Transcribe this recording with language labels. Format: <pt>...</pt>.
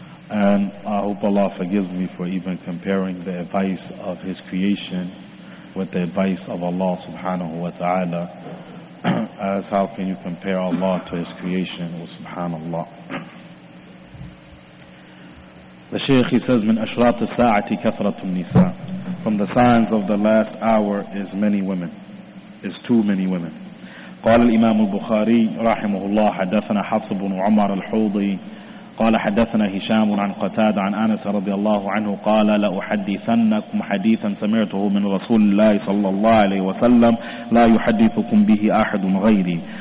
<en>And I hope Allah forgives me for even comparing the advice of His creation with the advice of Allah subhanahu wa ta'ala, as how can you compare Allah to His creation, with subhanallah. The Shaykh, he says,</en> <ar>من أشراط الساعة كثرة النساء.</ar> <en>From the signs of the last hour is many women, is too many women.</en> <ar>قال الإمام البخاري رحمه الله حدثنا حفص بن عمر الحوضي قال حدثنا هشام عن قتادة عن أنس رضي الله عنه قال لأحدثنكم حديثا سمعته من رسول الله صلى الله عليه وسلم لا يحدثكم به أحد غيري.</ar>